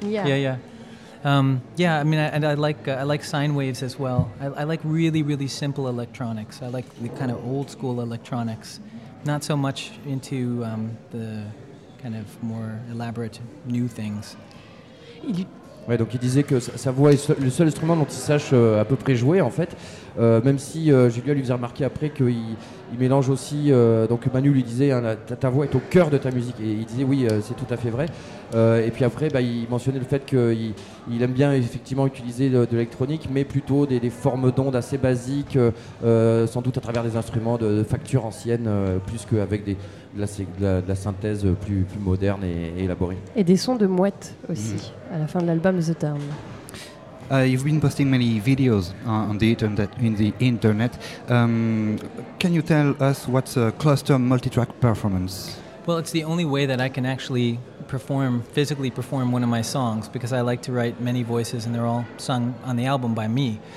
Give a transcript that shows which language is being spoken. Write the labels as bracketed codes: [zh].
[en] Yeah. I like sine waves as well. I like really, really simple electronics. I like the kind of old school electronics. Not so much into the kind of more elaborate new things. [fr] Ouais, donc il disait que sa voix est le seul instrument dont il sache à peu près jouer en fait. Même si Julia lui faisait remarquer après qu'il mélange aussi. Donc Manu lui disait hein, ta voix est au cœur de ta musique. Et il disait oui, c'est tout à fait vrai. Et puis après, bah, il mentionnait le fait qu'il aime bien effectivement utiliser de l'électronique, mais plutôt des formes d'ondes assez basiques, sans doute à travers des instruments de facture ancienne, plus qu'avec de la synthèse plus moderne et élaborée. Et des sons de mouettes aussi, à la fin de l'album The Term. [en] You've been posting many videos on the internet. Can you tell us what's a cluster multitrack performance? Well, it's the only way that I can actually physically perform one of my songs because I like to write many voices and they're all sung on the album by me.